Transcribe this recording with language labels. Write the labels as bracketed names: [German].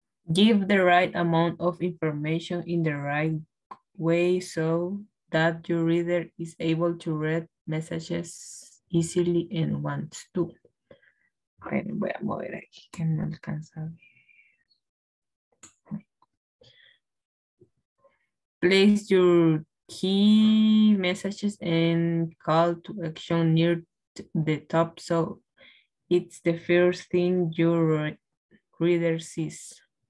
[English] Give the right amount of information in the right way so that your reader is able to read messages easily and wants to. [Spanish] Bueno, voy a mover aquí que no alcanza a ver. [English] Place your key messages and call to action near the top so it's the first thing your reader sees.